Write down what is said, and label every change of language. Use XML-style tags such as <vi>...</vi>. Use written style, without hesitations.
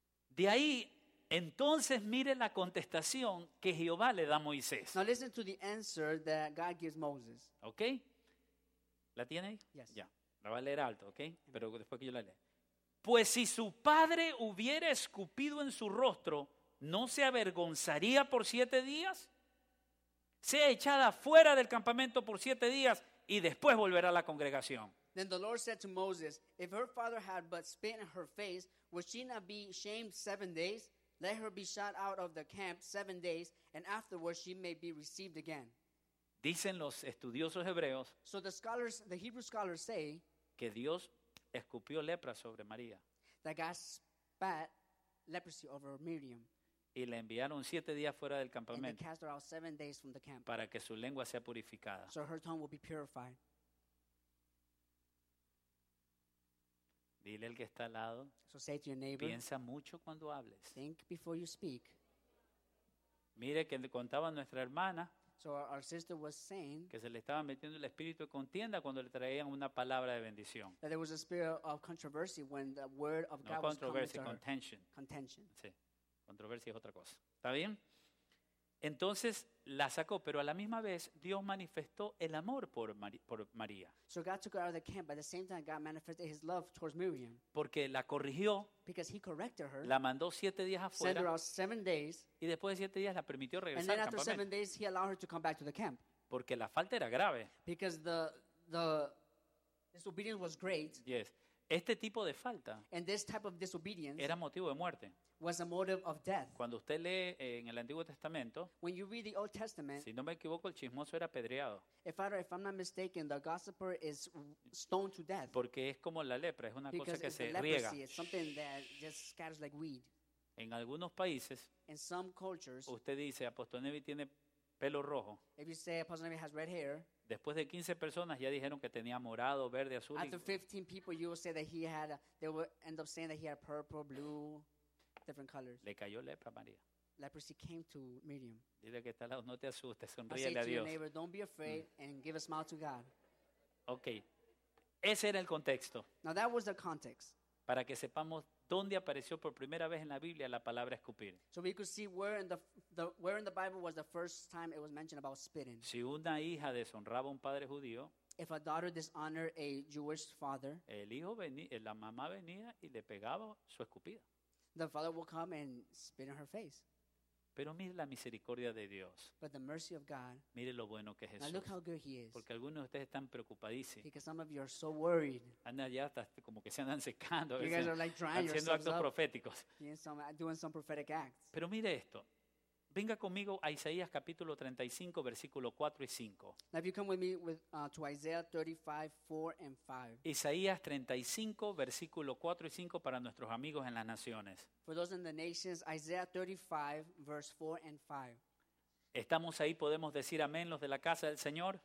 <es>De ahí, entonces mire la contestación que Jehová le da a Moisés.</es> <en>Now listen to the answer that God gives Moses.</en> <es>¿Ok? ¿La tiene ahí?</es> <en>Yes.</en> <es>Ya, la va a leer alto, ¿ok? Amen. Pero después que yo la lea. Pues si su padre hubiera escupido en su rostro, ¿no se avergonzaría por siete días? Sea echada fuera del campamento por siete días y después volverá a la congregación.</es> <en>Then the Lord said to Moses, if her father had but spit in her face, would she not be shamed 7 days? Let her be shot out of the camp 7 days, and afterwards she may be received again.</en> <es>Dicen los estudiosos hebreos.</es> <en>So the Hebrew scholars say</en> <es>que Dios escupió lepra sobre María.</es> <en>That God spat leprosy over Miriam.</en> <es>Y la enviaron 7 días fuera del campamento.</es> <en>And they cast her out 7 days from the camp.</en> <es>Para que su lengua sea purificada.</es> <en>So her tongue will be purified.</en> <es>Dile al que está al lado.</es> <en>So say to your neighbor.</en> <es>Piensa mucho cuando hables.</es> <en>Think before you speak.</en> <es>Mire que le contaba nuestra hermana.</es> <en>So our sister was saying.</en> <es>Que se le estaba metiendo el espíritu de contienda cuando le traían una palabra de bendición.</es> <en>That there was a spirit of controversy when the word of God no was coming to her. Contention. Contention.</en> <es>Sí. Controversia es otra cosa. ¿Está bien? Entonces la sacó, pero a la misma vez Dios manifestó el amor por María.</es> <en>So God took her out of the camp, but at the same time God manifested his love towards Miriam.</en> <es>Porque la corrigió.</es> <en>Because he corrected her.</en> <es>La mandó 7 días afuera.</es> <en>Sent her out 7 days.</en> <es>Y después de 7 días la permitió regresar al campamento.</es> <en>And then after 7 days he allowed her to come back to the camp.</en> <es>Porque la falta era grave.</es> <en>Because the disobedience was great. Yes.</en> <es>Este tipo de falta</es> <en>and this type of disobedience</en> <es>era motivo de muerte.</es> <en>Was a motive of death.</en> <es>Cuando usted lee en el Antiguo Testamento,</es> <en>when you read the Old Testament,</en> <es>si no me equivoco, el chismoso era apedreado.</es> <en>If I'm not mistaken, the gossiper is stoned to death.</en> <es>Porque es como la lepra, es una</es> <en>because</en> <es>cosa que</es> <en>it's</en> <es>se</es> <en>leprosy,</en> <es>riega.</es> <en>It's something that just scatters like weed.</en> <es>En algunos países,</es> <en>in some cultures,</en> <es>usted dice, Apóstol Nevi tiene pelo rojo.</es> <en>If you say Apostle Nevi has red hair,</en> <es>después de 15 personas ya dijeron que tenía morado, verde, azul.</es> <en>After 15 people, you will say that he had, they will end up saying that he had purple, blue, different colors.</en> <es>Le cayó lepra a María.</es> <en>Leprosy came to Miriam.</en> <es>Dile que está al lado, no te asustes, sonríe a Dios.</es> <en>Say to your neighbor, don't be afraid and give a smile to God.</en> <es>Okay, ese era el contexto.</es> <en>Now that was the context.</en> <es>Para que sepamos dónde apareció por primera vez en la Biblia la palabra escupir.</es> <en>So we could see where in the Bible was the first time it was mentioned about spitting.</en> <es>Si una hija deshonraba a un padre judío,</es> <en>if a daughter dishonored a Jewish father,</en> <es>el hijo venía, la mamá venía y le pegaba su escupida.</es> <en>The father will come and spit in her face.</en> <es>Pero mire la misericordia de Dios.</es> <en>But the mercy of God.</en> <es>Mire lo bueno que es Jesús.</es> <en>Now look how good he is.</en> <es>Porque algunos de ustedes están preocupadísimos.</es> <en>Because some of you are so worried.</en> <es>Andan ya hasta como que se andan secando.</es> <en>You guys are like drying yourselves up.</en> <es>Haciendo actos proféticos.</es> <en>Doing some prophetic acts.</en> <es>Pero mire esto. Venga conmigo a Isaías capítulo 35, versículo 4 y 5.</es> <en>Now if you come with me with, to Isaiah 35, 4 and 5.</en> <es>Isaías 35, versículo 4 y 5 para nuestros amigos en las naciones.</es> <en>For those in the nations, Isaiah 35, verse 4 and 5.</en> <es>¿Estamos ahí? ¿Podemos decir amén los de la casa del Señor?</es>